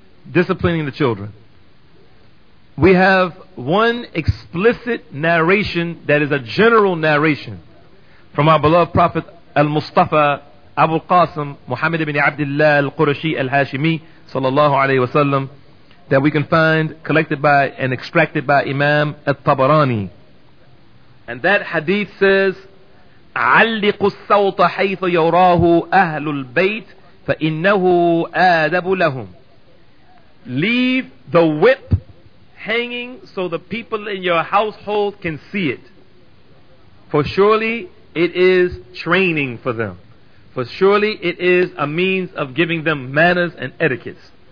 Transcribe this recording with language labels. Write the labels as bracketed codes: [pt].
[en] Disciplining the children. We have one explicit narration that is a general narration from our beloved Prophet Al-Mustafa Abu al-Qasim Muhammad ibn Abdullah al-Qurashi al-Hashimi sallallahu alayhi wasallam that we can find collected by and extracted by Imam al-Tabarani. And that hadith says, [ar] عَلِّقُ السَّوْطَ حَيْثُ يَوْرَاهُ أَهْلُ الْبَيْتِ فَإِنَّهُ آدَبُ لَهُمْ. [en] Leave the whip hanging so the people in your household can see it. For surely it is training for them. For surely it is a means of giving them manners and etiquettes.